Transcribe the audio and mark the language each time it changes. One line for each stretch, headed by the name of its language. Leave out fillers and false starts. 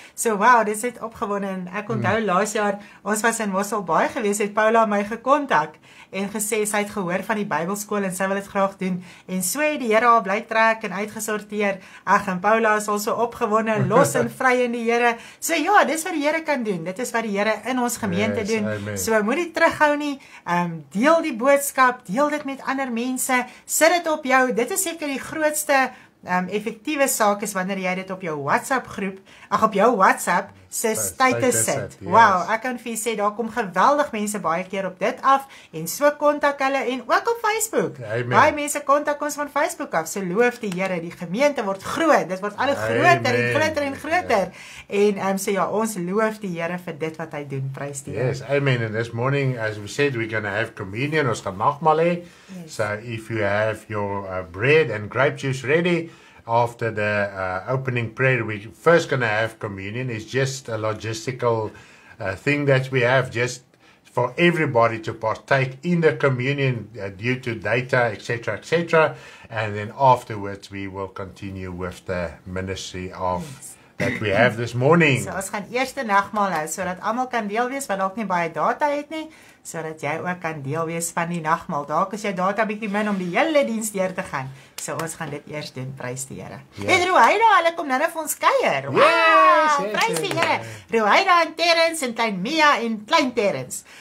Afrikaans: So, wow, dit het opgewonde. En ek onthou laas jaar, ons was in Mossel Baai gewees, het Paula my gekontak en gesê, sy het gehoor van die Bybelskool en sy wil het graag doen. En so het die Here haar bly trek en uitgesorteer. Ag, en Paula is also opgewonde, los en vry in die Here. So ja, dis wat die Here kan doen. Dit is wat die Here in ons gemeente doen. Amen. So moet nie terughou nie. Deel die boodskap, deel dit met ander mense. Sit dit op jou. Dit is seker die grootste effektiewe saak is wanneer jy dit op jou WhatsApp groep, ag op jou WhatsApp se status sit.
English: Yes.
Afrikaans: Wow, ek kan vir jy sê, daar kom geweldig mense baie keer op dit af, en so kontak hulle, en ook op Facebook. Amen. Baie mense kontak ons van Facebook af, so loof die Here, die gemeente word groot, dit word alle groter en groter en groter. Amen. En so ja, ons loof die Here vir dit wat hy doen, prys die Here.
English: Yes, amen, and this morning, as we said, we're gonna have communion,
Afrikaans: ons gaan nagmaal hê.
English: So if you have your bread and grape juice ready, after the opening prayer, we first going to have communion. It's just a logistical thing that we have just for everybody to partake in the communion due to data, etc., etc. And then afterwards, we will continue with the ministry of that we have this morning.
Afrikaans: So, ons gaan eerste nagmaal hou, so dat almal kan deel wees wat dalk nie baie data het nie, so dat jy ook kan deel wees van die nagmaal. Dalk is jou data bietjie min om die hele diens deur te gaan. So ons gaan dit eers doen, prys die Here. Yes. En Rohaida, hulle kom nou vir ons kuier. Wow, yes, prys die Here. Rohaida en Terrence en klein Mia en klein Terrence.